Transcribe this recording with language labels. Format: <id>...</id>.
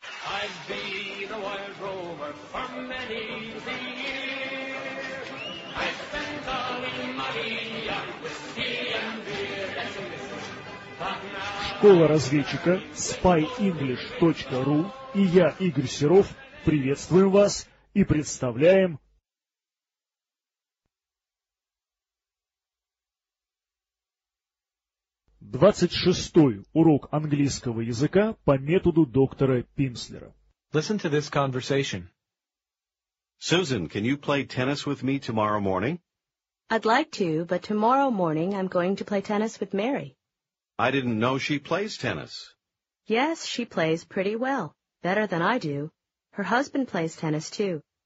<en>I'd be the wild rover for many a year. I spent all my money on whiskey and beer.</en> <ru>Школа разведчика spyenglish.ru и я, Игорь Серов, приветствуем вас и представляем. Двадцать шестой урок английского языка по методу доктора Пимслера.</ru> <en>Listen to this conversation. Susan, can you play tennis with me tomorrow morning? I'd like to, but tomorrow morning I'm going to play tennis with Mary. I didn't know she plays tennis. Yes, she plays pretty well, better than I do. Her husband plays tennis too.</en>